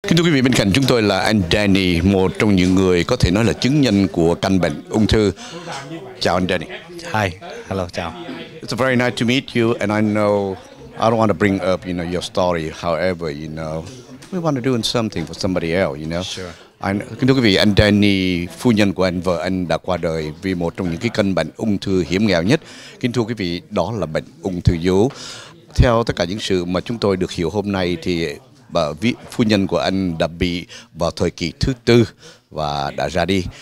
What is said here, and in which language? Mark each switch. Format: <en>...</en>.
<vi>Kính thưa quý vị, bên cạnh chúng tôi là anh Danny, một trong những người có thể nói là chứng nhân của căn bệnh ung thư. Chào anh Danny.</vi> <en>Hi, hello, chào. It's very nice to meet you, and I know I don't want to bring up, you know, your story. However, you know, we want to do something for somebody else, you know. Sure.</en> <vi>Kính thưa quý vị, anh Danny, phu nhân của anh, vợ anh đã qua đời vì một trong những cái căn bệnh ung thư hiểm nghèo nhất. Kính thưa quý vị, đó là bệnh ung thư vú. Theo tất cả những sự mà chúng tôi được hiểu hôm nay thì bà vị phu nhân của anh đã bị vào thời kỳ thứ tư và đã ra đi.</vi>